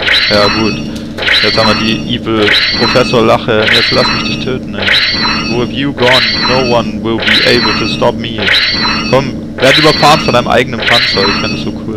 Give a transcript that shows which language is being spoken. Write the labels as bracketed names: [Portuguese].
[German] Ja gut, jetzt haben wir die evil Professor-Lache. Jetzt lass mich dich töten, ey. [English] With you gone, no one will be able to stop me. [German] Komm! Werd überfahren von deinem eigenen Panzer, ich fände das so cool.